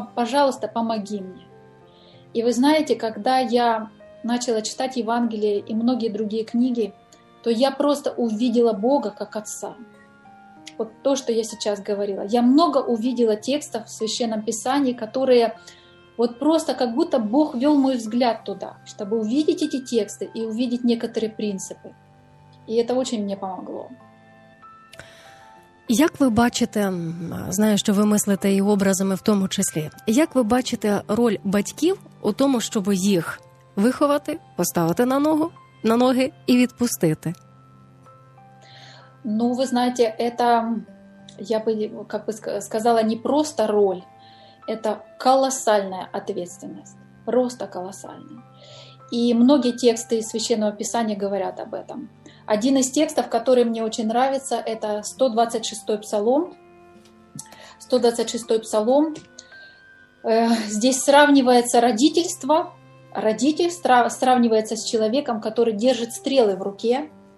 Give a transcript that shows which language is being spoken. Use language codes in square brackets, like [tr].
[ru] Пожалуйста, помоги мне». И вы знаете, когда я начала читать Евангелие и многие другие книги, то я просто увидела Бога как Отца. Вот то, что я сейчас говорила. Я много увидела текстов в Священном Писании, которые вот просто как будто Бог вел мой взгляд туда, чтобы увидеть эти тексты и увидеть некоторые принципы. И это очень мне помогло. [uk] Як ви бачите, знаю, що ви мислите і образами в тому числі, як ви бачите роль батьків у тому, щоб їх виховати, поставити на ногу, на ноги і відпустити? Ну, ви знаєте, це, я би, як би сказала, не просто роль, це колосальна відповідальність, просто колосальна. І багато тексти з Священного Писання [ru] говорять об этом. Один из текстов, который мне очень нравится, это 126-й псалом. 126-й псалом. Здесь сравнивается родительство. Родитель сравнивается с человеком, который держит стрелы в руке.